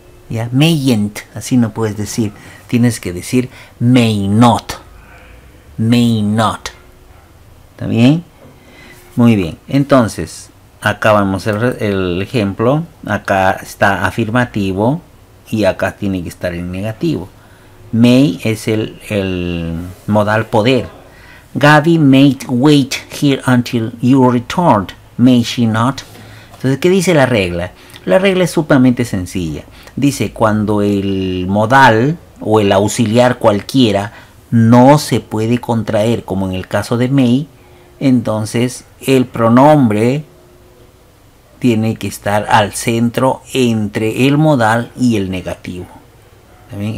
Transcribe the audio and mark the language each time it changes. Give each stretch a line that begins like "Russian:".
Spanish: ¿Ya? Mayn't, así no puedes decir. Tienes que decir may not. May not. ¿Está bien? Muy bien. Entonces, acá vamos el ejemplo. Acá está afirmativo y acá tiene que estar en negativo. May es el modal poder.
English: Gabby may wait here until you returned, may she not?
Spanish: Entonces, ¿qué dice la regla? La regla es sumamente sencilla. Dice, cuando el modal o el auxiliar cualquiera no se puede contraer, como en el caso de may, entonces el pronombre tiene que estar al centro entre el modal y el negativo. ¿También?